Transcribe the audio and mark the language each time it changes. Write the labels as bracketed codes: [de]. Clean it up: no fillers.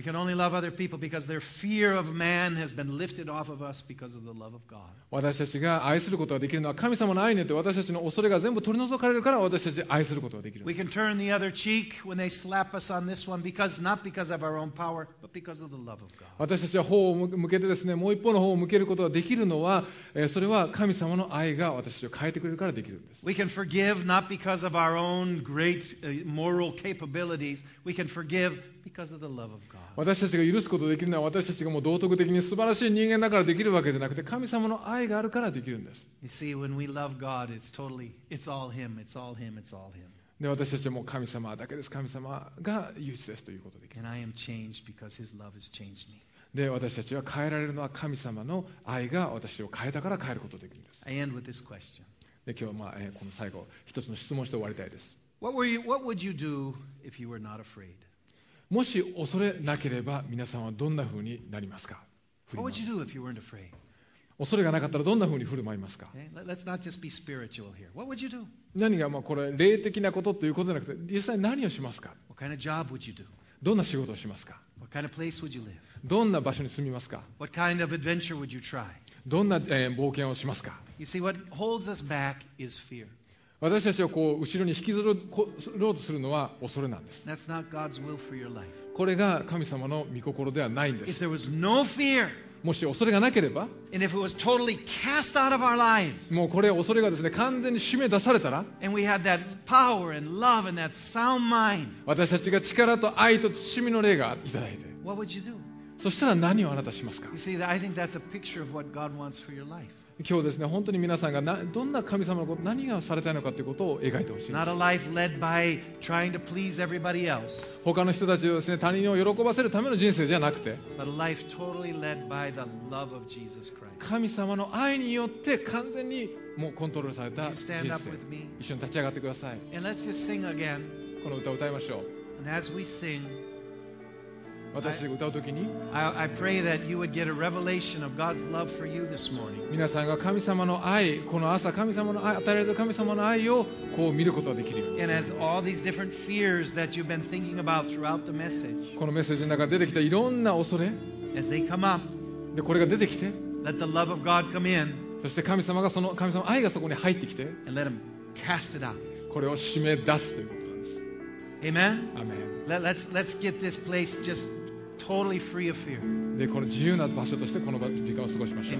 [en] We can only love other people because their fear of man has been lifted off of us because of the love of God. [ja] 私たちが愛することができるのは神様の愛によって私たちの恐れが全部取り除かれるから私たちを愛することができる。 [en] We can turn the other cheek when they slap us on this one because not because of our own power but because of the love of God. [ja] 私たちは頬を向けてですね、もう一方の頬を向けることができるのは、それは神様の愛が私たちを変えてくれるからできるんです。 [en] We can forgive not because of our own great moral capabilities. We can forgive because of the love of God. [ja] 私たちが許すことができるのは私たちがもう道徳的に素晴らしい人間だからできるわけじゃなくて、神様の愛があるからできるんです。 [en] You see, when we love God, it's totally, it's all Him, it's all Him, it's all Him. [ja] で、私たちも神様だけです。神様が唯一ですということで。 [en] And I am changed because His love has changed me. [ja] で私たちは変えられるのは神様の愛が私を変えたから変えることができるんです。 [en] I end with this question. [ja] で今日は、まあ、この最後一つの質問して終わりたいです。 [en] What would you do if you were not afraid? [ja] もし恐れなければ皆さんはどんな風になりますか。 [en] What would you do if you weren't afraid? [ja] 恐れがなかったらどんな風に振る舞いますか。 [en] Let's not just be spiritual here. What would you do? [ja] 何がまあこれ霊的なことということじゃなくて実際何をしますか。 [en] What kind of job would you do? [ja] どんな仕事をしますか。 [en] What kind of place would you live? [ja] どんな場所に住みますか。 [en] What kind of adventure would you try? [ja] どんな、冒険をしますか。 [en] You see, what holds us back is fear. [ja] 私たちをこう後ろに引きずろうとするのは恐れなんです。 [en] That's not God's will for your life. [ja] これが神様の御心ではないんです。 [en] If there was no fear, [ja] もし恐れがなければ、 [en] and if it was totally cast out of our lives, [ja] もうこれ恐れがですね完全に締め出されたら、 [en] and we had that power and love and that sound mind, [ja] 私たちが力と愛と慎みの霊がいただいて、 [en] what would you do? [ja] そしたら何をあなたしますか。 [en] You see, I think that's a picture of what God wants for your life. [ja] 今日ですね本当に皆さんがどんな神様のこと何がされたいのかということを描いてほしい。 [en] Not a life led by trying to please everybody else. [ja] 他の人たちをですね他人を喜ばせるための人生じゃなくて、 [en] but a life totally led by the love of Jesus Christ. [ja] 神様の愛によって完全にもうコントロールされた人生。 [en] Stand up with me. [ja] 一緒に立ち上がってください。 [en] And let's just sing again. [ja] この歌を歌いましょう。 [en] And as we sing. [ja] 私が歌うときに、 [en] I pray that you would get a revelation of God's love for you this morning. [ja] 皆さんが神様の愛、この朝神様の愛、与えられた神様の愛をこう見ることができる。 [en] And as all these different fears that you've been thinking about throughout the message, [ja] このメッセージの中で出てきたいろんな恐れ、 [en] as they come up, [ja] でこれが出てきて、 [en] let the love of God come in, [ja] そして神様がその神様の愛がそこに入ってきて、 [en] and let him cast it out. [ja] これを締め出すということ。 [en] Amen. Amen. Let's get this place just totally free of fear. [ja] で、この自由な場所としてこの時間を過ごしましょう。